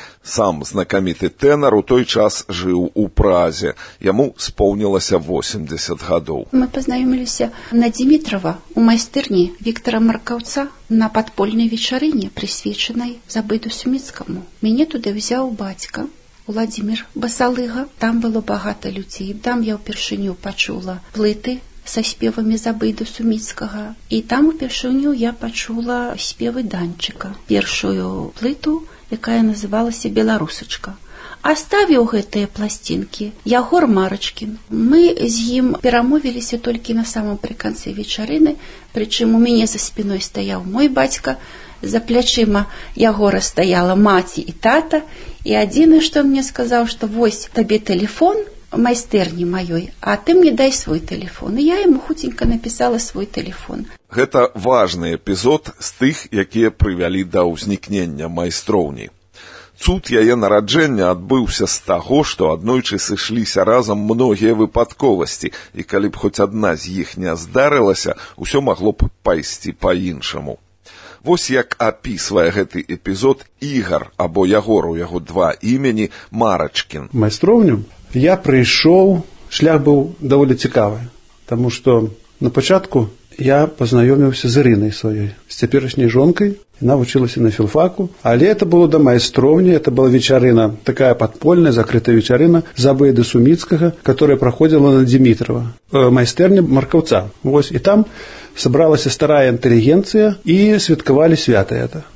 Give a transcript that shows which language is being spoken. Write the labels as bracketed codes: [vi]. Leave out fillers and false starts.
[be] Сам знакаміты тэнар у той час жыў у Празе. Яму споўнілася 80 гадоў. Мы пазнаёміліся на Дзімітрава у майстэрні Віктара Маркаўца на падпольнай вечарыне, прысвечанай Забыду Сумецкаму. Мяне туды взяў бацька. [uk] Владимир Басалига. Там було багато людей. Там я вперше почула плити со співами Забиду Суміцького. І там вперше я почула співи Данчика. Першу плиту, яка називалася «Білорусочка». [be] Оставив гэтыя пластінкі Ягор Марачкін. Мы з ім перамовіліся толькі на самым прыканцы вечарыны, прычым у мяне за спіной стаяў мой бацька, за плячыма Ягора стаяла маці і тата, і адзіны, што мне сказаў, што вось табе тэлефон майстэрні маёй, а ты мне дай свой тэлефон. І я яму хутенька напісала свой тэлефон. Гэта важны эпізод з тых, якія прывялі да ўзнікнення майстроўні. Цуд яе нараджэння адбыўся з таго, што аднойчы сышліся разам многія выпадковасці, і калі б хоць адна з іх не здарылася, усё магло б пайсці па-іншаму. Вось як апісвае гэты эпізод Ігар, або Ягор у яго два імені, Марачкін. Майстроўню я прыйшоў, шлях быў даволі цікавы, таму што на пачатку [uk] я познайомився з Іриною своєю, з теперішньою жінкою. Вона вчилася на філфаку. Але це було до майстровні, це була вечерина, така підпольна, закрита вечерина Забиди Суміцького, яка проходила на Дмитрова, майстерні Марковця. Ось, і там зібралася стара інтелігенція і святкували свято це.